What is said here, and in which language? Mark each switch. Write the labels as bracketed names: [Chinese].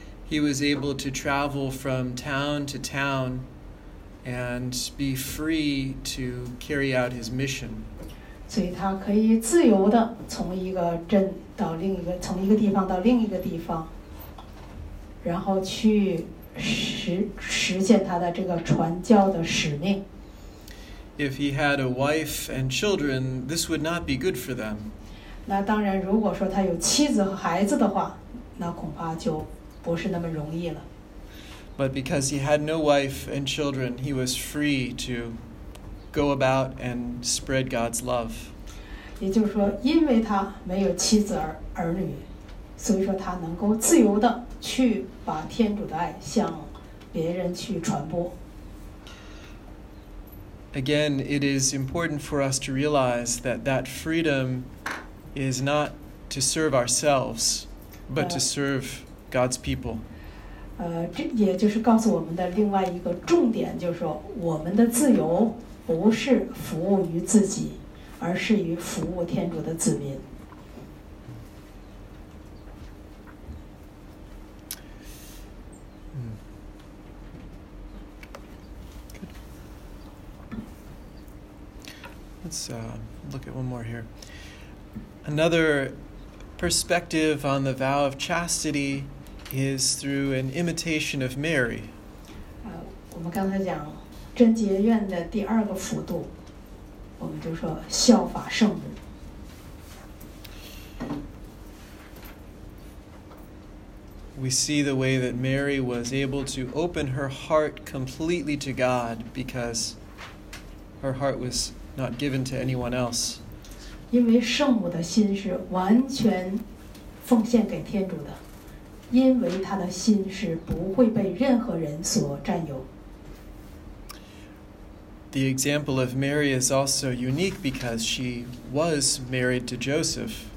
[English] He was able to travel from town to town and be free to carry out his mission. [Chinese] 所以他可以自由地从一个镇到另一个，从一个地方到另一个地方，然后去实现他的这个传教的使命。 [English] If he had a wife and children, this would not be good for them. [Chinese] 那当然，如果说他有妻子和孩子的话，那恐怕就不是那么容易了。 [English] But because he had no wife and children, he was free to go about and spread God's love. [Chinese] 也就是说，因为他没有妻子儿女，所以说他能够自由的去把天主的爱向别人去传播。 [English] Again, it is important for us to realize that that freedom is not to serve ourselves, but to serve God's people. [Chinese] 这也就是告诉我们的另外一个重点，就是说我们的自由不是服务于自己，而是于服务天主的子民。 [English] Let's look at one more here. Another perspective on the vow of chastity is through an imitation of Mary. [Chinese] 我们刚才讲贞洁愿的第二个辅度，我们就说效法圣母。 [English] We see the way that Mary was able to open her heart completely to God because her heart was not given to anyone else. [Chinese] 因为圣母的心是完全奉献给天主的，因为他的心是不会被任何人所占有。 [English] The example of Mary is also unique because she was married to Joseph.